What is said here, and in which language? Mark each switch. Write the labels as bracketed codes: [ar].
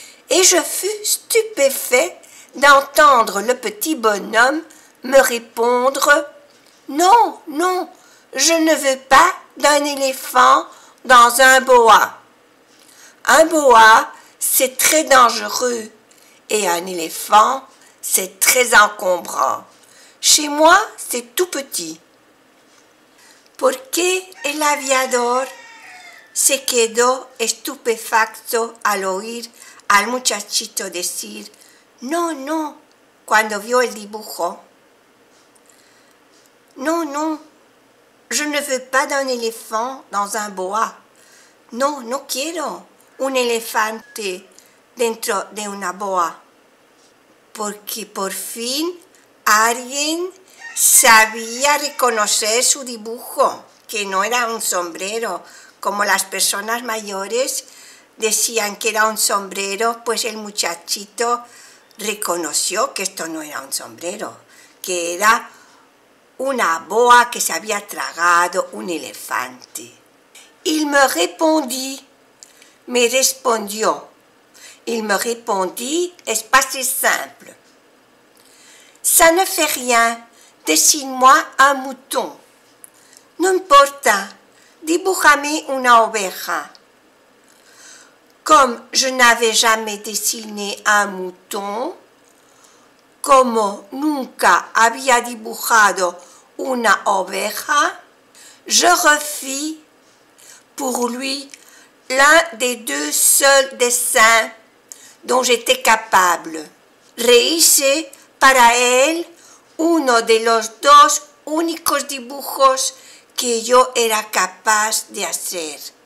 [fr] Et je fus stupéfait d'entendre le petit bonhomme me répondre « Non, non, je ne veux pas d'un éléphant dans un boa. Un boa, c'est très dangereux et un éléphant, c'est très encombrant. Chez moi, c'est tout petit. [es] » ¿Por qué el aviador se quedó estupefacto al oír al muchachito decir no, no, cuando vio el dibujo? [fr] No, no, je ne veux pas d'un éléphant dans un boa. [es] No, no quiero un elefante dentro de una boa. Porque por fin alguien sabía reconocer su dibujo, que no era un sombrero, como las personas mayores decían que era un sombrero, pues el muchachito reconoció que esto no era un sombrero, que era una boa que se había tragado un elefante. [fr] Il me répondit, [es] me respondió. [fr] Il me répondit, es passé simple. Ça ne fait rien, dessine-moi un mouton. [es] No importa, dibújame una oveja. [fr] Comme je n'avais jamais dessiné un mouton, [es] como nunca había dibujado una oveja, [fr] je refis pour lui l'un des deux seuls dessins dont j'étais capable. [es] Rehice para él uno de los dos únicos dibujos que yo era capaz de hacer.